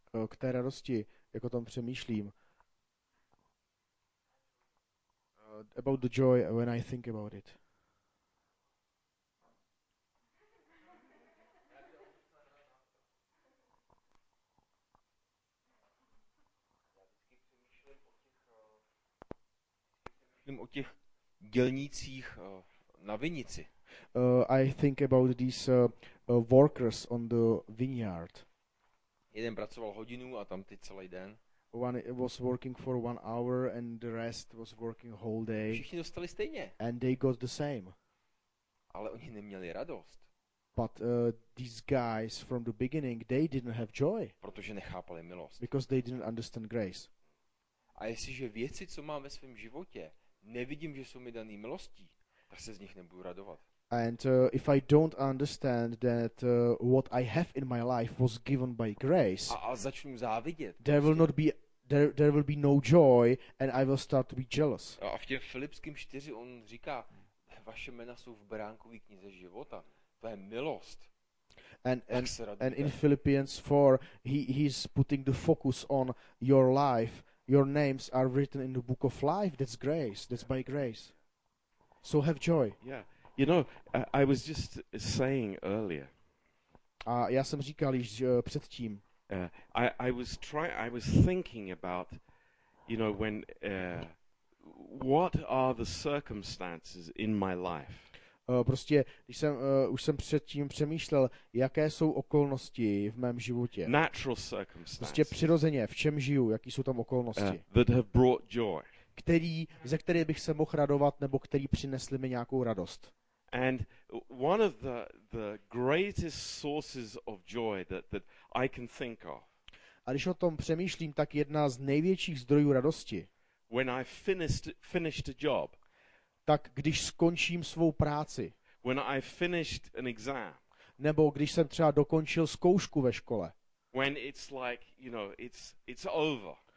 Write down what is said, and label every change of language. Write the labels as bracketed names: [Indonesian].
[Czech] K té radosti, jak o tom přemýšlím. [English] About the joy when I think about it. [Czech] Myslím o těch dělnících na vinici. [English] I think about these workers on the vineyard. [Czech] Jeden pracoval hodinu a tam ty celý den. [English] One was working for one hour and the rest was working whole day. [Czech] Všichni dostali stejně. [English] And they got the same. [Czech] Ale oni neměli radost. [English] But these guys from the beginning, they didn't have joy. [Czech] Protože nechápali milost. [English] Because they didn't understand grace. [Czech] A jestliže věci, co mám ve svém životě, nevidím, že jsou mi daný milostí, tak se z nich nebudu radovat. [English] And if I don't understand that what I have in my life was given by grace, [Czech] a začnu závidět. [English] There will be no joy and I will start to be jealous. [Czech] A v těm Filipským 4 on říká, vaše jména jsou v bránkové knize života. To je milost. [English] And in Philippians 4 he's putting the focus on your life. Your names are written in the book of life. That's grace. That's by grace. So have joy. Yeah. You know, I was just saying earlier. [Czech] A já jsem říkal již předtím. [English] I was thinking about, you know, when what are the circumstances in my life? [Czech] Prostě, když jsem už jsem předtím přemýšlel, jaké jsou okolnosti v mém životě. [English] Natural circumstances. [Czech] Prostě přirozeně, v čem žiju, jaký jsou tam okolnosti. [English] That have brought joy. K [Czech] který, ze které bych se mohl radovat, nebo který přinesli mi nějakou radost. [English] And one of the greatest sources of joy that I can think of. [Czech] A když o tom přemýšlím, tak jedna z největších zdrojů radosti. [English] When I finished a job. [Czech] Tak když skončím svou práci. [English] When I finished an exam. [Czech] Nebo když jsem třeba dokončil zkoušku ve škole. [English] When it's like, you know, it's over.